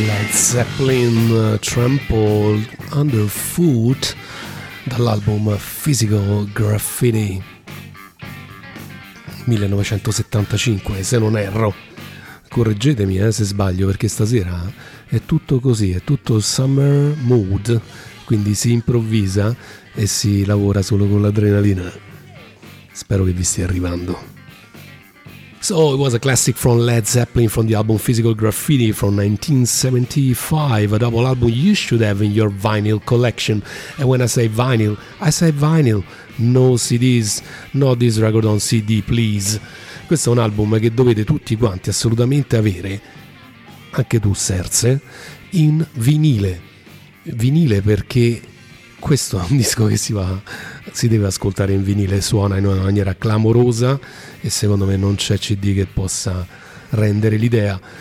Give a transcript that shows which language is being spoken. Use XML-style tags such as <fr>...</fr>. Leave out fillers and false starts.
<it>Zeppelin Trample Underfoot dall'album Physical Graffiti 1975, se non erro. Correggetemi se sbaglio, perché stasera è tutto così, è tutto summer mood, quindi si improvvisa e si lavora solo con l'adrenalina. Spero che vi stia arrivando.</it> <en>So it was a classic from Led Zeppelin from the album Physical Graffiti from 1975, a double album you should have in your vinyl collection. And when I say vinyl, no CDs, not this record on CD, please.</en> <it>Questo è un album che dovete tutti quanti assolutamente avere, anche tu Serse, in vinile. Vinile perché questo è un disco che si deve ascoltare in vinile, suona in una maniera clamorosa e secondo me non c'è CD che possa rendere l'idea.</it>